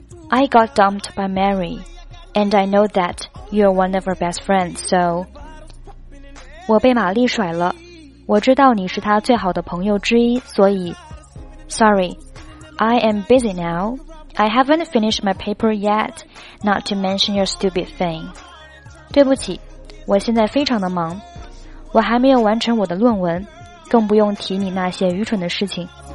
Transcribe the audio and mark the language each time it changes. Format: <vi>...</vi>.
<en>I got dumped by Mary, and I know that you're one of her best friends, so...</en> <zh>我被玛丽甩了。我知道你是她最好的朋友之一，所以...</zh> <en>Sorry, I am busy now. I haven't finished my paper yet, not to mention your stupid thing.</en> <zh>对不起，我现在非常的忙，我还没有完成我的论文，更不用提你那些愚蠢的事情。</zh>